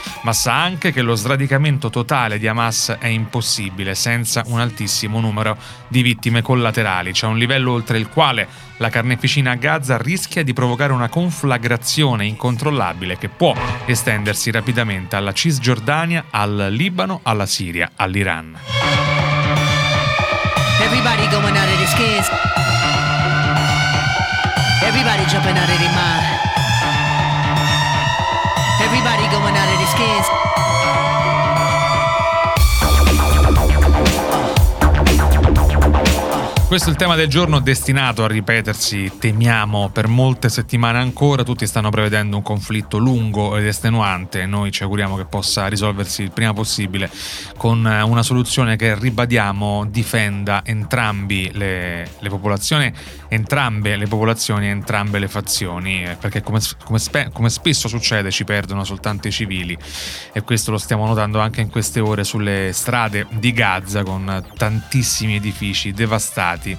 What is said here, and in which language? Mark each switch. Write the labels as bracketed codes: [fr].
[it] Ma sa anche che lo sradicamento totale di Hamas è impossibile senza un altissimo numero di vittime collaterali. C'è un livello oltre il quale la carneficina a Gaza rischia di provocare una conflagrazione incontrollabile che può estendersi rapidamente alla Cisgiordania, al Libano, alla Siria, all'Iran. [en] Everybody going out of this case. Everybody jumping out of their mind. Everybody going out of this case. [it] Questo è il tema del giorno destinato a ripetersi, temiamo, per molte settimane ancora. Tutti stanno prevedendo un conflitto lungo ed estenuante. Noi ci auguriamo che possa risolversi il prima possibile con una soluzione che, ribadiamo, difenda entrambe le popolazioni, entrambe le fazioni, perché come spesso succede ci perdono soltanto i civili, e questo lo stiamo notando anche in queste ore sulle strade di Gaza, con tantissimi edifici devastati,